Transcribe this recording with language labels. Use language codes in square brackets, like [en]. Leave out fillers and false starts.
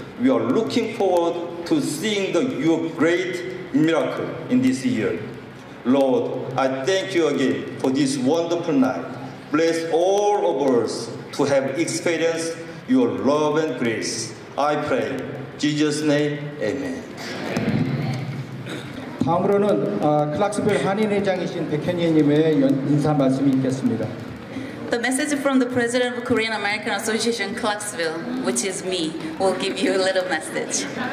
[en] We are looking forward to seeing your great miracle in this year. Lord, I thank you again for this wonderful night. Bless all of us to have experienced your love and grace. I pray, Jesus' name, amen. [ko] 다음으로는 클락스빌 한인회장이신 백현희님의 인사 말씀이 있겠습니다. [en] The message from the president of Korean American Association Clarksville, which is me, will give you a little message.